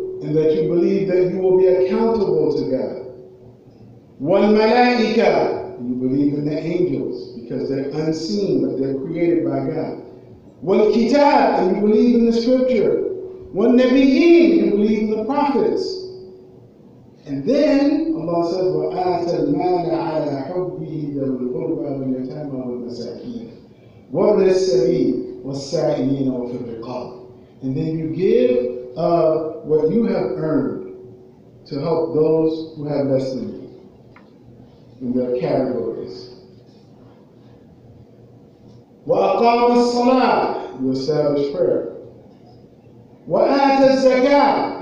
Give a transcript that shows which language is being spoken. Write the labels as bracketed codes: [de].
[en] And that you believe that you will be accountable to God. [ar] وَالْمَلَائِكَ. [en] You believe in the angels because they're unseen, but they're created by God. [ar] وَالْكِتَاب. [en] And you believe in the scripture. [ar] وَالنَّبِيِّينَ. [en] You believe in the prophets. And then Allah says, [ar] وَآتَ الْمَالَ عَلَى حُبِّهِ ذَوِ الْقُرْبَى وَالْيَتَامَى وَالْمَسَاكِينَ وَابْنَ السَّبِيلِ وَالسَّائِلِينَ وَفِي الرِّقَابِ. [en] And then you give what you have earned to help those who have less than you in their categories. [ar] وَأَقَامَ الصَّلَاةَ. [en] You establish prayer. [ar] وَآتَ الزَّكَاةَ.